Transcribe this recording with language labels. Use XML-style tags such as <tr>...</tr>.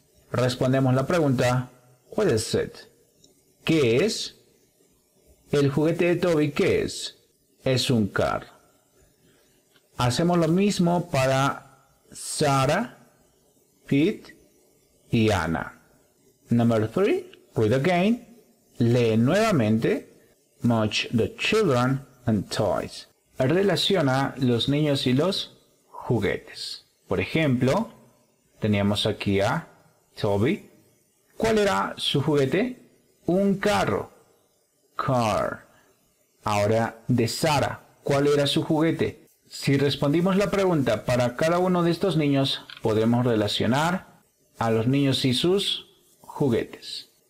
<es>Respondemos la pregunta.</es> <en>What is it?</en> <es>¿Qué es? El juguete de Toby, ¿qué es? Es un car. Hacemos lo mismo para Sarah, Pete y Anna.</es> <en>Number three, read again.</en> <es>Lee nuevamente.</es> <en>Match the children and toys.</en> <es>Relaciona los niños y los juguetes. Por ejemplo, teníamos aquí a Toby. ¿Cuál era su juguete? Un carro. Car. Ahora, de Sarah, ¿cuál era su juguete? Si respondimos la pregunta para cada uno de estos niños, podemos relacionar a los niños y sus juguetes.</es>